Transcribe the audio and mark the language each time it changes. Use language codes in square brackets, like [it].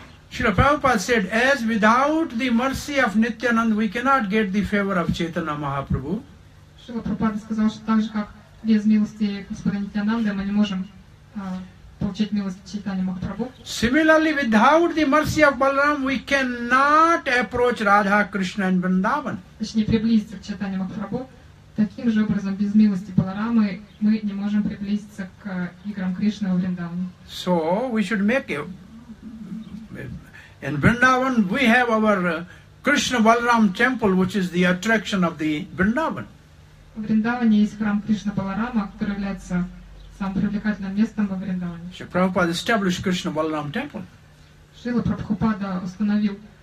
[en] Srila Prabhupada said, as without the mercy of Nityananda, we cannot get the favor of Chaitanya Mahaprabhu. [ru] Srila Prabhupada сказал, что так же, как без милости Господа Нитянанды, мы не можем получить милость Чайтанья Махапрабху. [en] Similarly, without the mercy of Balaram, we cannot approach Radha, Krishna and Vrindavan. [ru] Точнее, приблизиться к Чайтанья Махапрабху. Таким же образом, без милости Баларамы, мы не можем приблизиться к играм Кришны в Вриндаване. [en] So, we should make it. In Vrindavan, we have our Krishna Balaram temple, which is the attraction of the Vrindavan. [ru] В Вриндаване есть храм Кришна Баларама, который является самым привлекательным местом во Вриндаване. [en] Шрила Прабхупада established Krishna Balaram temple. [ru] Шрила Прабхупада установил